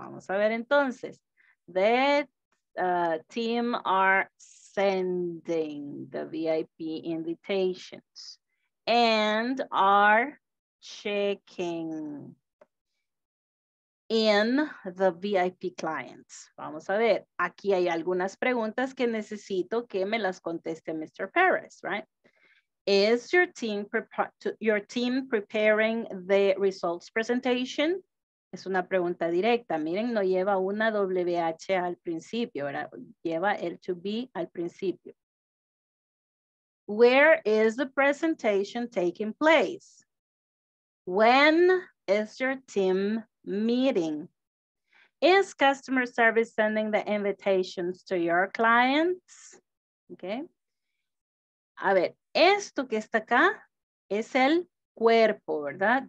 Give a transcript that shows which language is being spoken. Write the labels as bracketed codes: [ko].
[es] Vamos a ver entonces. [en] The team are sending the VIP invitations and are checking in the VIP clients. [es] Vamos a ver. Aquí hay algunas preguntas que necesito que me las conteste Mr. Perez, right? [en] Is your team preparing the results presentation? [es] Es una pregunta directa. Miren, no lleva una WH al principio, ¿verdad? Lleva el to be al principio. [en] Where is the presentation taking place? When is your team meeting? Is customer service sending the invitations to your clients? Okay. [es] A ver, esto que está acá es el cuerpo, ¿verdad?